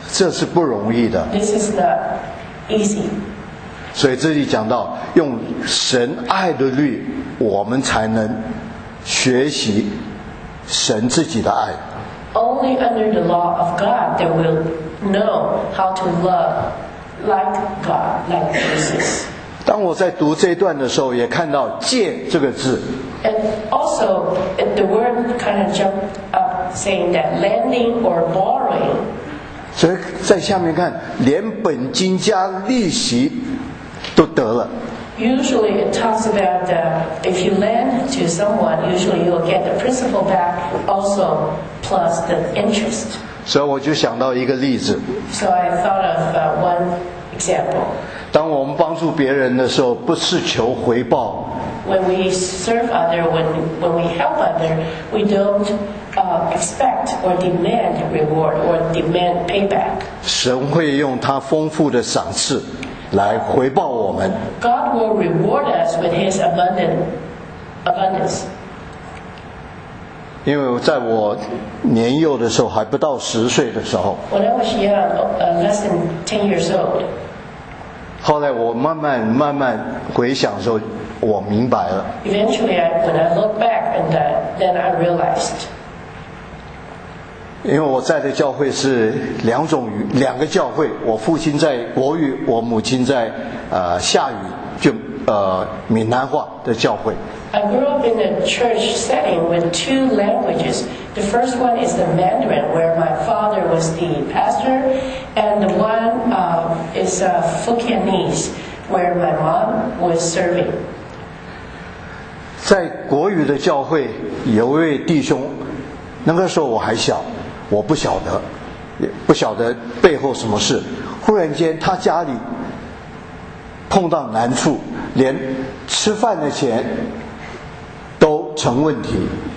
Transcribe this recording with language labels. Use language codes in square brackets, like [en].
[zh] 这是不容易的。 [en] This is not easy. [zh] 所以这里讲到用神爱的律，我们才能学习神自己的爱。 [en] Only under the law of God that we'll know how to love like God, like Jesus. [zh] 当我在读这一段的时候，也看到戒这个字。 [en] And also the word kind of jumped up saying that lending or borrowing. [zh] 所以在下面看，连本金加利息都得了。 [en] Usually it talks about if you lend to someone, usually you'll get the principal back also plus the interest. [zh] 所以我就想到一个例子。 [en] So I thought of one example. [zh] 当我们帮助别人的时候，不是求回报。 [en] When we serve others, when we help others, we don't expect or demand reward or demand payback. [zh] 神会用他丰富的赏赐来回报我们。 [en] God will reward us with his abundance. [zh] 因为在我年幼的时候，还不到十岁的时候， [en] When I was young, less than 10 years old. [zh] 后来我慢慢慢慢回想的时候，我明白了。 [en] Eventually, when I look back, and then I realized. [zh] 因为我在的教会是两种语，两个教会，我父亲在国语，我母亲在夏语，就闽南话的教会。 [en] I grew up in a church setting with two languages. The first one is the Mandarin, where my father was the pastor, and the one is Fukienese, where my mom was serving. [zh] 在国语的教会有位弟兄，那个时候我还小。我不晓得，也不晓得背后什么事。忽然间，他家里碰到难处，连吃饭的钱都成问题。